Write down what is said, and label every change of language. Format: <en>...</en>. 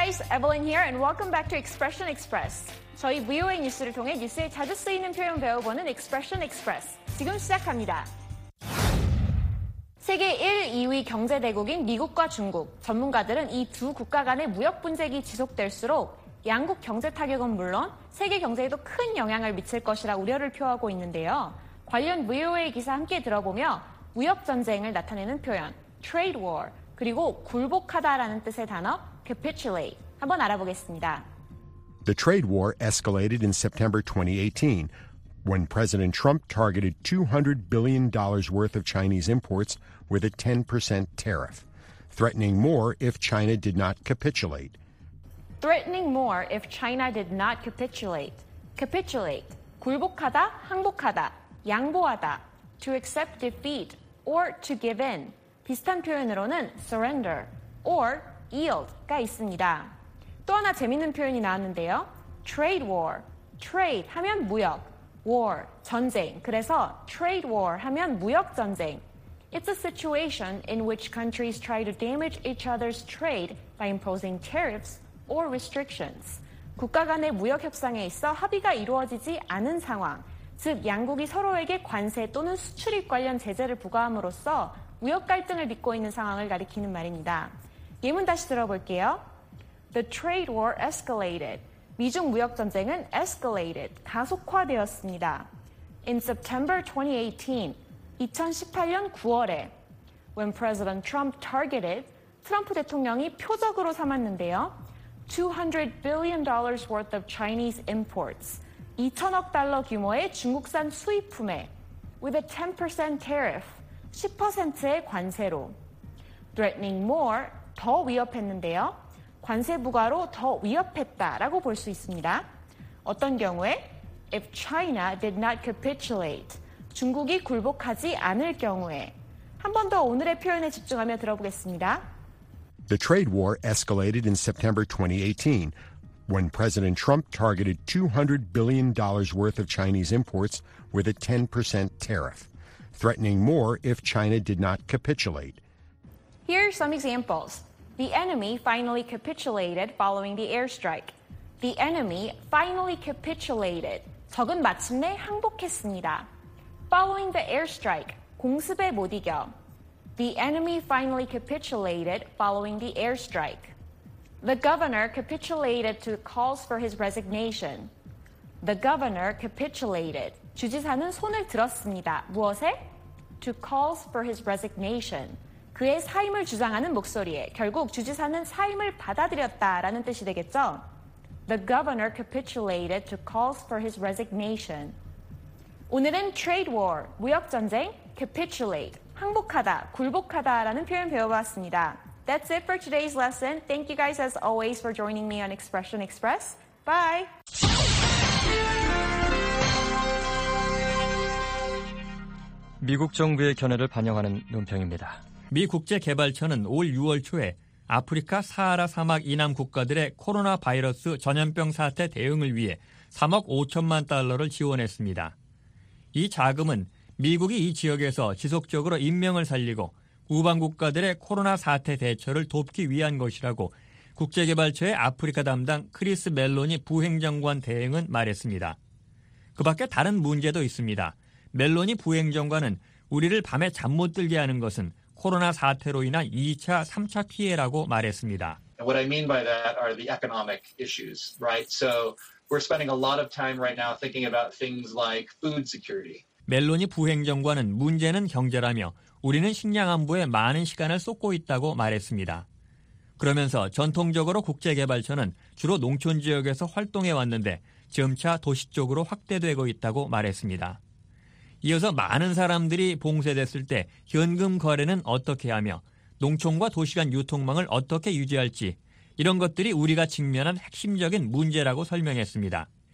<en>Evelyn here, and welcome back to Expression Express.</en> <ko>저희 VOA 뉴스를 통해 뉴스에 자주 쓰이는 표현 배워보는 Expression Express. 지금 시작합니다. 세계 1, 2위 경제대국인 미국과 중국, 전문가들은 이 두 국가 간의 무역 분쟁이 지속될수록 양국 경제 타격은 물론 세계 경제에도 큰 영향을 미칠 것이라 우려를 표하고 있는데요. 관련 VOA 기사 함께 들어보며 무역 전쟁을 나타내는 표현, Trade War, 그리고 굴복하다라는 뜻의 단어, Capitulate. 한번 알아보겠습니다.</ko> <en>The trade war escalated in September 2018, when President Trump targeted $200 billion worth of Chinese imports with a 10% tariff, threatening more if China did not capitulate. Threatening more if China did not capitulate. Capitulate.</en> <ko>굴복하다, 항복하다, 양보하다.</ko> <en>To accept defeat or to give in.</en> <ko>비슷한 표현으로는</ko> <en>surrender or yield</en> <ko>가 있습니다. 또 하나 재밌는 표현이 나왔는데요.</ko> <en>Trade war. Trade</en> <ko>하면 무역.</ko> <en>War,</en> <ko>전쟁. 그래서 trade war 하면 무역 전쟁.</ko> <en>It's a situation in which countries try to damage each other's trade by imposing tariffs or restrictions.</en> <ko>국가 간의 무역 협상에 있어 합의가 이루어지지 않은 상황. 즉, 양국이 서로에게 관세 또는 수출입 관련 제재를 부과함으로써 무역 갈등을 빚고 있는 상황을 가리키는 말입니다. 예문 다시 들어볼게요.</ko> <en>The trade war escalated.</en> <ko>미중 무역 전쟁은 escalated, 가속화되었습니다.</ko> <en>In September 2018,</en> <ko>2018년 9월에</ko> <en>when President Trump targeted,</en> <ko>트럼프 대통령이 표적으로 삼았는데요.</ko> <en>$200 billion worth of Chinese imports,</en> <ko>2천억 달러 규모의 중국산 수입품에</ko> <en>with a 10% tariff,</en> <ko>10%의 관세로</ko> <en>threatening more,</en> <ko>더 위협했는데요. 관세 부과로 더 위협했다라고 볼 수 있습니다. 어떤 경우에?</ko> <en>If China did not capitulate,</en> <ko>중국이 굴복하지 않을 경우에. 한 번 더 오늘의 표현에 집중하며 들어보겠습니다.</ko> <en>The trade war escalated in September 2018 when President Trump targeted $200 billion worth of Chinese imports with a 10% tariff, threatening more if China did not capitulate. Here are some examples. The enemy finally capitulated following the airstrike. The enemy finally capitulated.</en> <ko>적은 마침내 항복했습니다.</ko> <en>Following the airstrike,</en> <ko>공습에 못 이겨.</ko> <en>The enemy finally capitulated following the airstrike. The governor capitulated to calls for his resignation. The governor capitulated.</en> <ko>주지사는 손을 들었습니다. 무엇에?</ko> <en>To calls for his resignation.</en> <ko>그의 사임을 주장하는 목소리에 결국 주지사는 사임을 받아들였다라는 뜻이 되겠죠.</ko> <en>The governor capitulated to calls for his resignation.</en> <ko>오늘은 trade war, 무역 전쟁, capitulate, 항복하다, 굴복하다라는 표현 배워봤습니다.</ko> <en>That's it for today's lesson. Thank you guys as always for joining me on Expression Express. Bye!</en> <ko>(목소리) 정부의 견해를 반영하는 논평입니다. 미 국제개발처는 올 6월 초에 아프리카 사하라 사막 이남 국가들의 코로나 바이러스 전염병 사태 대응을 위해 3억 5천만 달러를 지원했습니다. 이 자금은 미국이 이 지역에서 지속적으로 인명을 살리고 우방 국가들의 코로나 사태 대처를 돕기 위한 것이라고 국제개발처의 아프리카 담당 크리스 멜로니 부행정관 대행은 말했습니다. 그 밖에 다른 문제도 있습니다. 멜로니 부행정관은 우리를 밤에 잠 못 들게 하는 것은 코로나 사태로 인한 2차, 3차 피해라고 말했습니다.</ko> <en>What I mean by that are the economic issues, right? So we're spending a lot of time right now thinking about things like food security.</en> <ko>멜로니 부행정관은 문제는 경제라며 우리는 식량 안보에 많은 시간을 쏟고 있다고 말했습니다. 그러면서 전통적으로 국제개발처는 주로 농촌 지역에서 활동해 왔는데 점차 도시 쪽으로 확대되고 있다고 말했습니다. 이어서 많은 사람들이 봉쇄됐을 때 현금 거래는 어떻게 하며 농촌과 도시 간 유통망을 어떻게 유지할지 이런 것들이 우리가 직면한 핵심적인 문제라고 설명했습니다.</ko>